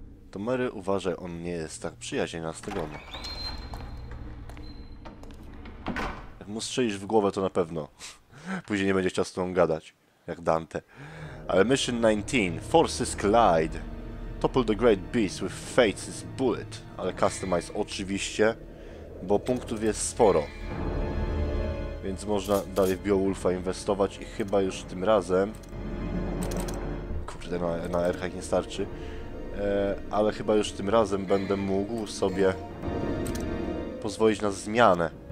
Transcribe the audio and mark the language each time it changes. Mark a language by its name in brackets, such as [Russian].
[Polish] To Mary uważa, on nie jest tak przyjaźnie nastawiony. Jak mu strzelisz w głowę, to na pewno później nie będzie chciał z tobą gadać, jak Dante. [English] Ale Mission 19, Forces Collide. Topple the Great Beast with Fates' Bullet. [Polish] Ale customize oczywiście, bo punktów jest sporo. Więc można dalej w Beowulfa inwestować i chyba już tym razem... Kurde, na Erhach nie starczy. Ale chyba już tym razem będę mógł sobie pozwolić na zmianę.